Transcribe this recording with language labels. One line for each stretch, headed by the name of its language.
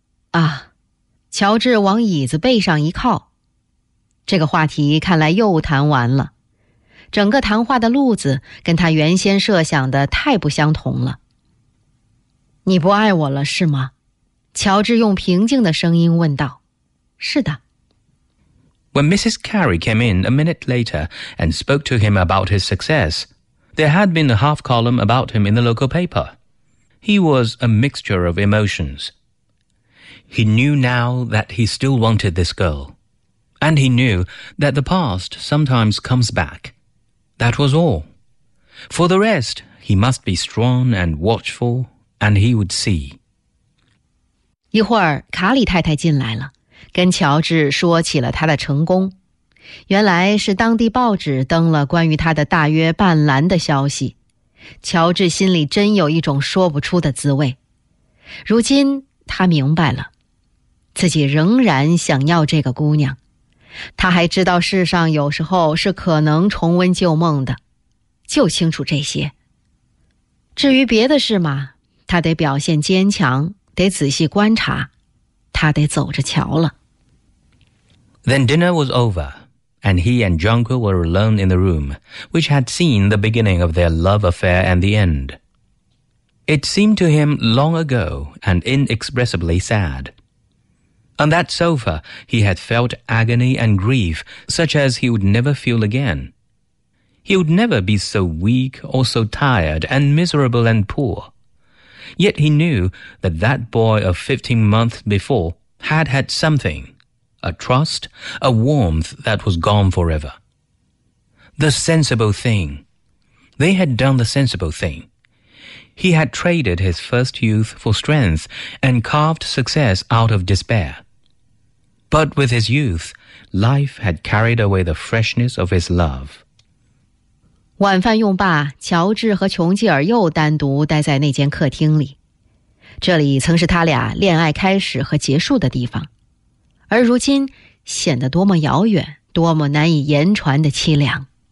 Chinese: 啊，乔治往椅子背上一靠。这个话题看来又谈完了，整个谈话的路子跟他原先设想的太不相同了。你不爱我了是吗？乔治用平静的声音问道。是的。
English: When Mrs. Carey came in a minute later and spoke to him about his success, there had been a half column about him in the local paper. He was a mixture of emotions. He knew now that he still wanted this girl. And he knew that the past sometimes comes back. That was all. For the rest, he must be strong and watchful, and he would see.
Chinese: 一会儿，卡里太太进来了，跟乔治说起了他的成功。原来是当地报纸登了关于他的大约半栏的消息。乔治心里真有一种说不出的滋味。如今他明白了，自己仍然想要这个姑娘。他还知道世上有时候是可能重温旧梦的，就清楚这些。至于别的事嘛，他得表现坚强，得仔细观察，他得走着瞧了。
English: Then dinner was over, and he and Junko were alone in the room, which had seen the beginning of their love affair and the end. It seemed to him long ago and inexpressibly sad. On that sofa, he had felt agony and grief such as he would never feel again. He would never be so weak or so tired and miserable and poor. Yet he knew that that boy of 15 months before had had something, a trust, a warmth that was gone forever. The sensible thing. They had done the sensible thing. He had traded his first youth for strength and carved success out of despair. But with his youth, life had carried away the freshness of his love.
Chinese: 晚饭用罢，乔治和琼吉尔又单独待在那间客厅里。这里曾是他俩恋爱开始和结束的地方，而如今显得多么遥远，多么难以言传的凄凉。